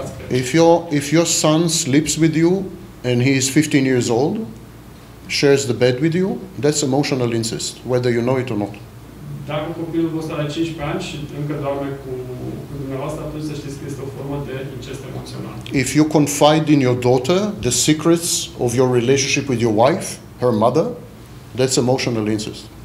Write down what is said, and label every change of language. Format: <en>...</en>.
<en>If your son sleeps with you and he is 15 years old, shares the bed with you, that's emotional incest, whether you know it or not.</en> <ro>Dacă copilul vostru are 15 ani și încă doarme cu dumneavoastră, atunci să știți că este o formă de incest emoțional.</ro> <en>If you confide in your daughter the secrets of your relationship with your wife, her mother, that's emotional incest.</en>